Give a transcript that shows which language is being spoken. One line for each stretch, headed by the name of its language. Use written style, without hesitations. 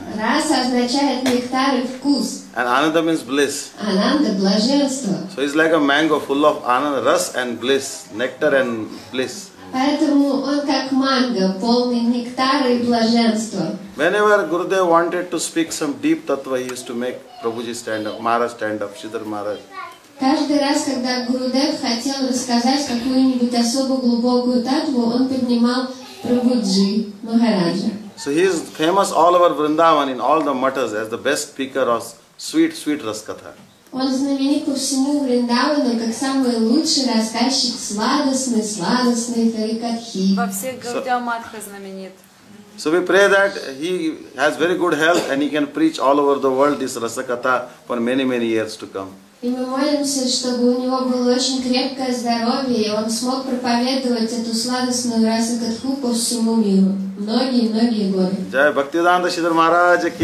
Russian: Rasa означает нектар и вкус.
English: And Ananda means bliss.
Russian: Ananda, блаженство.
English: So he's like a mango full of ananda, ras and bliss, nectar and bliss.
Russian: Поэтому он как манго, полный нектара и блаженства.
English: Whenever Gurudev wanted to speak some deep tattva, he used to make Prabhuji stand up, Maharaj stand up, Sridhar Maharaj.
Russian: Каждый раз, когда Гурудев хотел рассказать какую-нибудь особо глубокую татву, он поднимал Прабхуджи Махараджа.
English: So he is famous all over Vrindavan in all the matas as the best speaker of sweet, sweet Raskatha.
Russian: Он знаменит по всему Вриндавану как самый лучший рассказчик сладостной, сладостной Харикатхи. Во всех Гаудиаматха знаменит.
English: So we pray that he has very good health and he can preach all over the world this Rasakatha for many, many years to come.
Russian: И мы молимся, чтобы у него было очень крепкое здоровье, и он смог проповедовать эту сладостную Расакатху по всему миру. Многие-многие годы. Джай Бхактиданда Шридхар Махарадж ки!